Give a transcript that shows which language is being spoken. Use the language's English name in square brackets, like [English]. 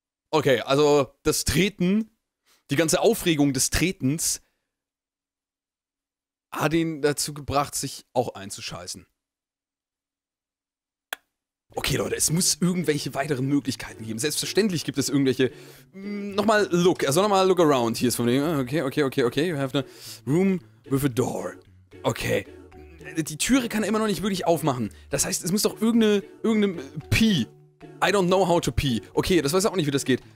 [German] Okay, also das Treten, die ganze Aufregung des Tretens hat ihn dazu gebracht, sich auch einzuscheißen. Okay, Leute, es muss irgendwelche weiteren Möglichkeiten geben. Selbstverständlich gibt es irgendwelche... nochmal [English] look, [German] also nochmal [English] look around. [German] Hier ist von dem... [English] Okay. You have a room with a door. Okay. [German] Die Türe kann er immer noch nicht wirklich aufmachen. Das heißt, es muss doch irgendeine Pee... [English] I don't know how to pee. [German] Okay, das weiß ich auch nicht, wie das geht.